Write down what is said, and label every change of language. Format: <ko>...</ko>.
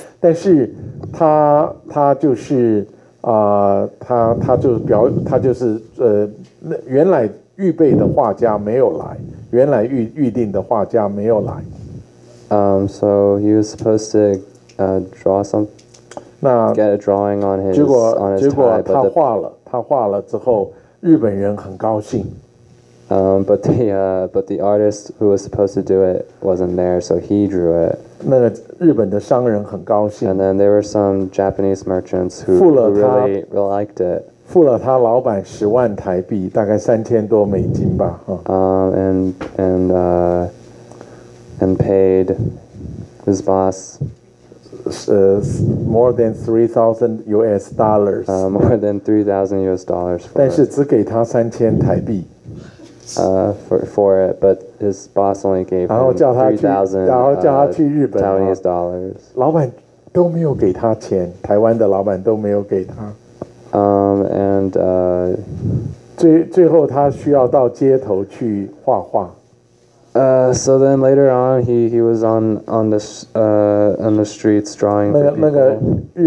<zh>但是他就是他就是表，他就是原来预备的画家没有来，原来预定的画家没有来。</zh> <en>So he was supposed to, draw some.</en> <zh>那</zh> <en>get a drawing on his.</en> <zh>结果他画了，他画了之后，日本人很高兴。</zh> <en>But the artist who was supposed to do it wasn't there, so he drew it.</en> <zh>那个日本的商人很高兴。</zh> <en>And then there were some Japanese merchants who really liked it.</en> <zh>付了他老板十万台币，大概3000多美金吧。</zh> <en>And paid his boss. More than $3,000. More than $3,000.</en> <zh>但是只给他3000台币。</zh> <en>For it, but his boss only gave him $3,000.</en> <zh>老板都没有给他钱，台湾的老板都没有给他。</zh> <en>And</en> <zh>最后他需要到街头去画画。</zh> <en>So then later on, he was on the streets drawing for people.</en>